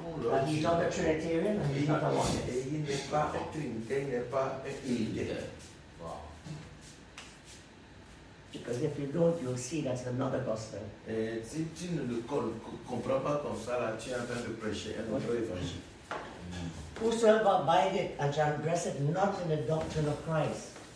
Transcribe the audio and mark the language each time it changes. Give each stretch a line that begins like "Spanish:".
English: But he's not a Trinitarian and he's not a Trinitarian. Because if you don't, you'll see that's another gospel.
French: Si tu ne le comprends pas comme ça, là, tu es en train de prêcher un autre évangile.
English: Whosoever abide it and shall dress it not in the doctrine of Christ.